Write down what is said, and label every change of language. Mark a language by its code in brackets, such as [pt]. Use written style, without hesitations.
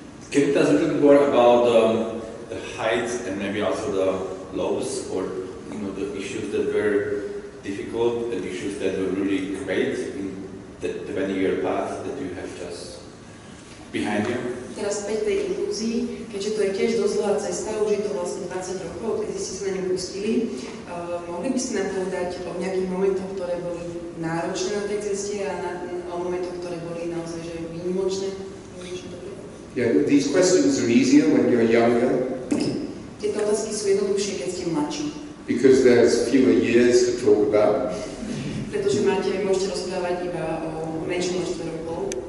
[en] Can you tell us a little more about the heights and maybe also the lows, or you know, the issues that were difficult and issues that were really great in the 20-year path that you have just behind you? [sk] Teraz späť tej inklúzii, keďže to je tiež dosť dlhá cesta, už je to vlastne 20 rokov, keď ste sa na ňu pustili, mohli by ste nám povedať o nejakých momentoch, ktoré boli náročné na tej ceste a o momentoch, ktoré boli naozaj že výnimočné? [en] Yeah, these questions are easier when you're younger. [sk] Tieto otázky sú jednoduchšie, keď ste mladší. [en] Because there's fewer years to talk about. [sk] Pretože máte, môžete rozprávať iba o menšom množstve rokov.